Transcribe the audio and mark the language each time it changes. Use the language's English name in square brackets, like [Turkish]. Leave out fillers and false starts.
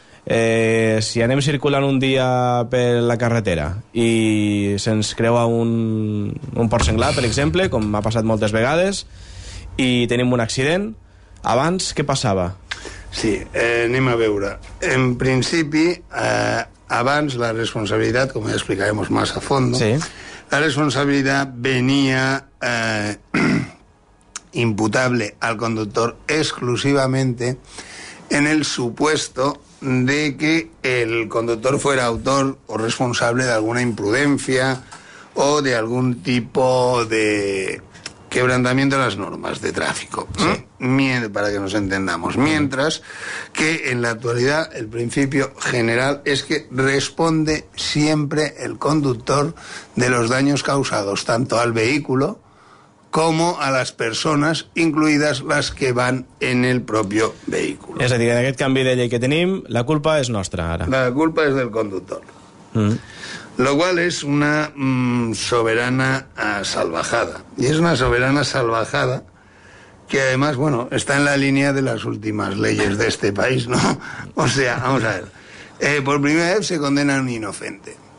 [Catalan] Si anem circulant un dia per la carretera i se'ns creua un porc senglar, per exemple, com m'ha passat moltes vegades, i tenim un accident, abans què passava? Sí, anem a veure. En principi, abans la responsabilitat, com ja explicarem més a fons, sí. La responsabilitat venia imputable al conductor [Spanish] exclusivamente en el supuesto de que el conductor fuera autor o responsable de alguna imprudencia o de algún tipo de quebrantamiento de las normas de tráfico, sí. Para que nos entendamos. Mientras que en la actualidad el principio general es que responde siempre el conductor de los daños causados tanto al vehículo como a las personas, incluidas las que van en el propio vehículo. [Catalan] És a dir, en aquest canvi de llei que tenim, la culpa és nostra, ara. La culpa és del conductor. [Spanish] Lo cual es una soberana salvajada. Y es una soberana salvajada que, además, bueno, está en la línea de las últimas leyes de este país, ¿no? O sea, vamos a ver. Por primera vez se condena a un inocente.